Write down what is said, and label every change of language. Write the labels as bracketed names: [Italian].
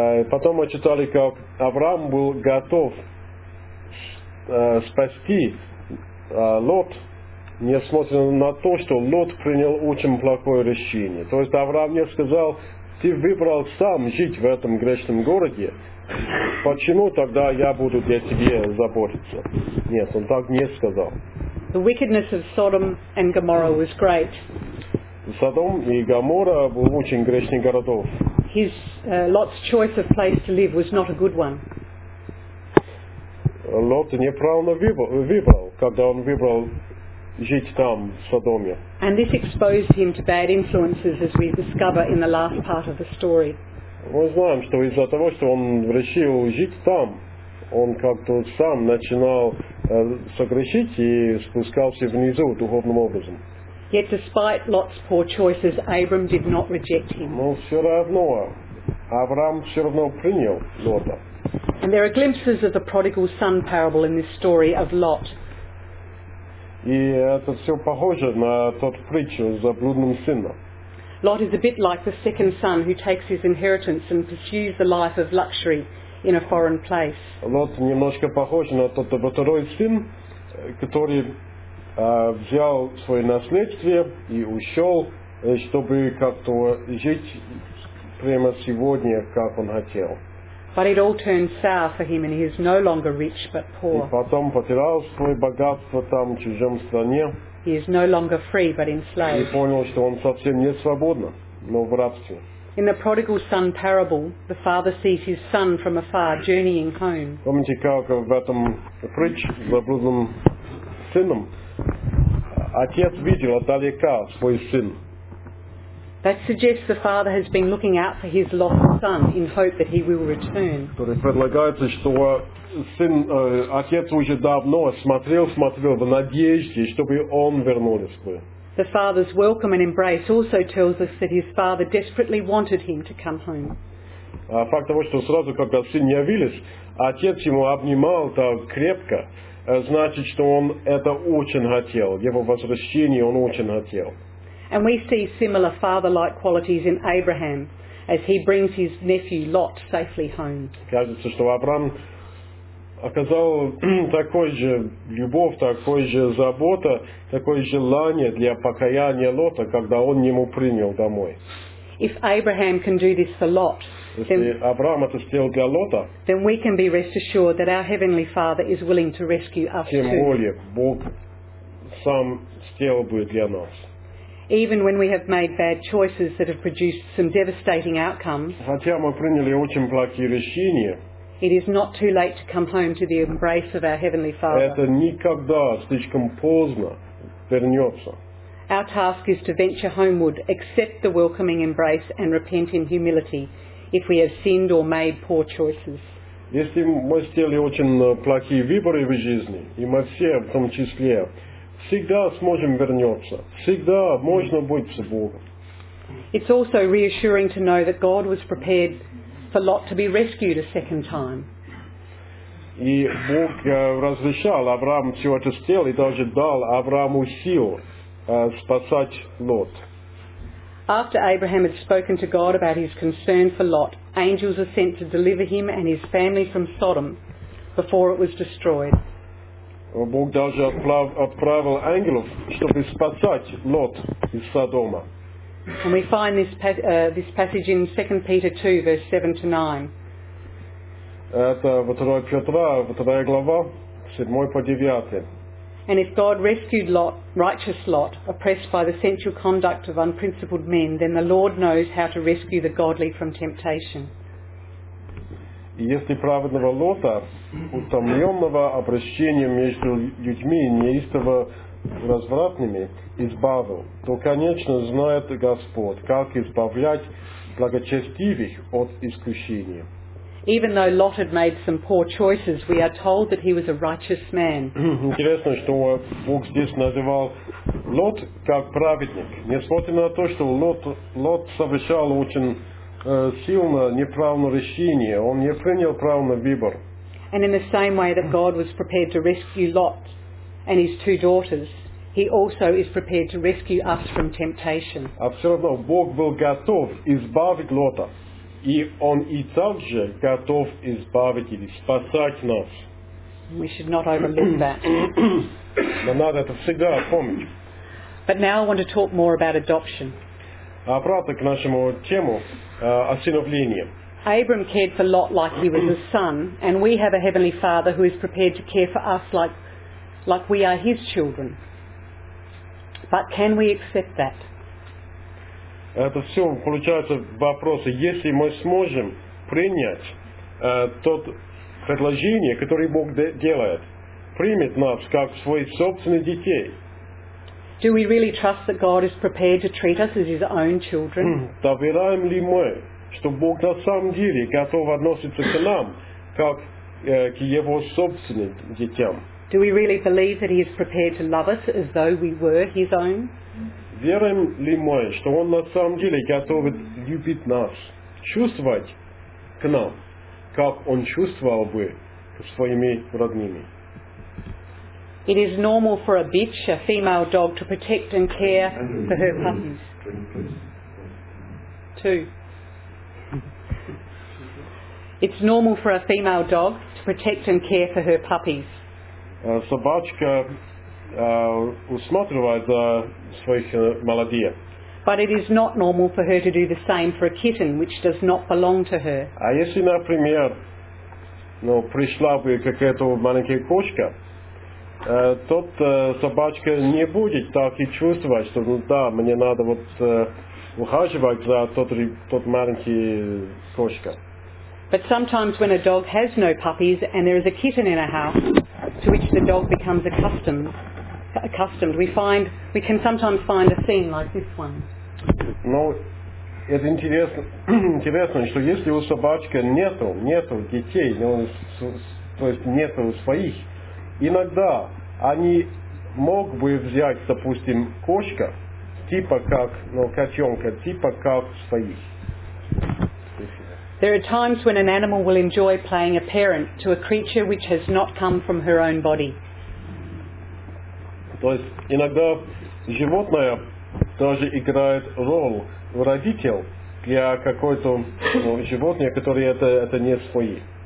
[Russian] Потом мы читали, как Авраам был готов спасти Лот, несмотря на то, что Лот принял очень плохое решение. То есть Авраам не сказал, ты выбрал сам жить в этом грешном городе, почему тогда я буду для тебя заботиться? Нет, он так не сказал. [English] The wickedness of Sodom and Gomorrah was great. [Russian] Содом и Гоморра были очень грешных городов. [English] His Lot's choice of place to live was not a good one. [Russian] Лот неправильно выбрал, когда он выбрал жить там, в Содоме. [English] And this exposed him to bad influences, as we discover in the last part of the story. [Russian] Мы знаем, что из-за того, что он решил жить там, он как-то сам начинал согрешить и спускался внизу духовным образом. [English] Yet despite Lot's poor choices, Abram did not reject him. [Russian] Но все равно, Авраам все равно принял Лота. [English] And there are glimpses of the prodigal son parable in this story of Lot. [Russian] И это все похоже на тот притчу за блудным сыном. [English] Lot is a bit like the second son who takes his inheritance and pursues the life of luxury in a foreign place. [Russian] Лот немножко похож на тот второй сын, который взял свое наследство и ушел, чтобы как-то жить прямо сегодня, как он хотел. [English] But it all turned sour for him, and he is no longer rich but poor. [Russian] И потом потерял свое богатство там, в чужом стране. [English] He is no longer free but enslaved. [Russian] И понял, что он совсем не свободен, но в рабстве. [English] In the prodigal son parable, the father sees his son from afar journeying home. [Russian] Помните, как в этом притче за блудным сыном отец видел отдалека свой сын. [English] That suggests the father has been looking out for his lost son in hope that he will return. [Russian] Предлагается, что сын, отец уже давно смотрел в надежде, чтобы он вернулся. [English] The father's welcome and embrace also tells us that his father desperately wanted him to come home. [Russian] Факт того, что сразу, когда сын явился, отец ему обнимал так крепко, значит, что он это очень хотел, его возвращение он очень хотел. [English] And we see similar father-like qualities in Abraham as he brings his nephew Lot safely home. [Russian] Кажется, что Авраам оказал такой же любовь, такой же забота, такое желание для покаяния Лота, когда он ему принял домой. [English] If Abraham can do this for Lot, then we can be rest assured that our heavenly Father is willing to rescue us too. [Russian] Тем более, Бог сам сделал бы для нас. [English] Even when we have made bad choices that have produced some devastating outcomes, [Russian] хотя мы приняли очень плохие решения, [English] it is not too late to come home to the embrace of our Heavenly Father. [Russian] Это никогда слишком поздно вернется. [English] Our task is to venture homeward, accept the welcoming embrace and repent in humility if we have sinned or made poor choices. [Russian] Если мы сделали очень плохие выборы в жизни, и мы все в том числе, всегда сможем вернуться, всегда можно быть с Богом. [English] It's also reassuring to know that God was prepared for Lot to be rescued a second time. [Russian] И Бог разрешал Аврааму все это сделать и даже дал Аврааму силу спасать Лот. [English] After Abraham had spoken to God about his concern for Lot, angels are sent to deliver him and his family from Sodom before it was destroyed. [Russian] Бог даже отправил ангелов, чтобы спасать Лот из Содома. [English] And we find this this passage in 2 Peter 2, verse 7 to 9. [Russian] Это во второй Петра, во вторая глава, 7 по 9. [English] And if God rescued Lot, righteous Lot, oppressed by the sensual conduct of unprincipled men, then the Lord knows how to rescue the godly from temptation. [Russian] И если праведного Лота, утомленного обращением между людьми, неистово развратными, избавил, то, конечно, знает Господь, как избавлять благочестивых от искушения. [English] Even though Lot had made some poor choices, we are told that he was a righteous man. [Russian] Интересно, что Бог здесь называл Лот как праведник, несмотря на то, что Лот совершал очень сильно неправильное решение, он не принял правильный выбор. [English] And in the same way that God was prepared to rescue Lot and his two daughters, he also is prepared to rescue us from temptation. [Russian] Абсолютно, Бог был готов избавить Лота. И он и также готов избавить или спасать нас. [English] We should not overlook that. [Russian] Но надо это всегда помнить. [English] But now I want to talk more about adoption. [Russian] А обратно к нашему тему о сыновлении. [English] Abram cared for Lot like he was a son, and we have a heavenly Father who is prepared to care for us like we are his children. But can we accept that? [Russian] Это все получается вопрос, если мы сможем принять то предложение, которое Бог делает, примет нас как своих собственных детей. [English] Do we really trust that God is prepared to treat us as his own children? [Russian] Доверяем ли мы, что Бог на самом деле готов относиться к нам, как к его собственным детям? [English] Do we really believe that he is prepared to love us as though we were his own? [Russian] Верим ли мы, что Он на самом деле готов любить нас, чувствовать к нам, как Он чувствовал бы своими родными? [English] It is normal for a bitch, a female dog, to protect and care for her puppies. It's normal for a female dog to protect and care for her puppies. [Russian] Собачка усматривает за своих молодых. [English] But it is not normal for her to do the same for a kitten which does not belong to her. [Russian] А если, например, пришла бы какая-то маленькая кошка, тот собачка не будет так и чувствовать, что мне надо ухаживать за тот маленький кошка. [English] But sometimes when a dog has no puppies and there is a kitten in a house to which the dog becomes accustomed, we can sometimes find a scene like this one. [Russian] Но это интересно, что если у собачки нету детей, то есть нету своих, иногда они мог бы взять, допустим, кошка, котенка, типа как своих. [English] There are times when an animal will enjoy playing a parent to a creature which has not come from her own body. [Russian] То есть иногда животное даже играет роль родителя для какой-то животного, которое это не свое.